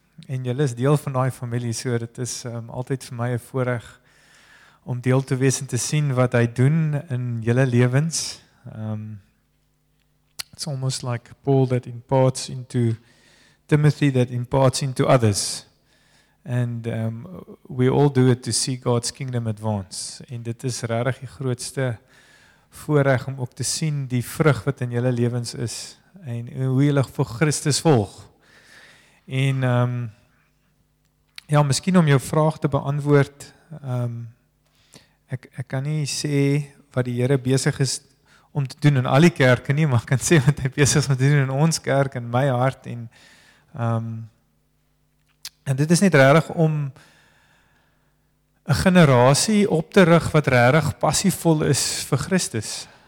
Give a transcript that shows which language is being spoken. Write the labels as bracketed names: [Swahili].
[Afrikaans] En jy is deel van die familie, so dit is altyd vir my 'n voorreg om deel te wees en te sien wat hy doen in julle lewens. [English] It's almost like Paul that imparts into Timothy that imparts into others. And we all do it to see God's kingdom advance. [Afrikaans] En dit is regtig die grootste voorreg om ook te sien die vrug wat in julle lewens is en hoe julle vir Christus volg. En miskien om jou vraag te beantwoord, ek kan nie sê wat die Here besig is om te doen in al die kerke nie, maar ek kan sê wat hy besig is om te doen in ons kerk, in my hart, en dit is net regtig om 'n generasie op te rig wat regtig passievol is vir Christus.